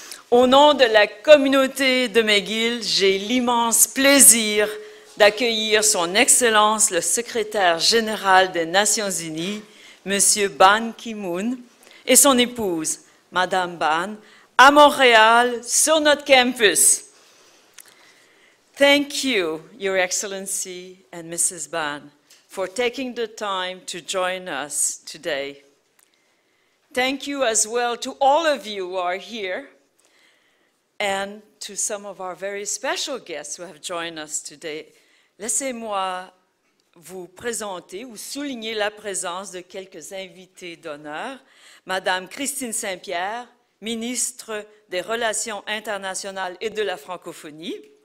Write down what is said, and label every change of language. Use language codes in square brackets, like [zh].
[fr] Au nom de la communauté de McGill, j'ai l'immense plaisir d'accueillir Son Excellence le secrétaire général des Nations Unies, M. Ban Ki-moon, et son épouse, Mme Ban, à Montréal, sur notre campus. [en] Thank you, Your Excellency and Mrs. Ban, for taking the time to join us today. Thank you as well to all of you who are here and to some of our very special guests who have joined us today. [fr] Laissez-moi vous présenter ou souligner la présence de quelques invités d'honneur. Madame Christine Saint-Pierre, ministre des Relations internationales et de la Francophonie.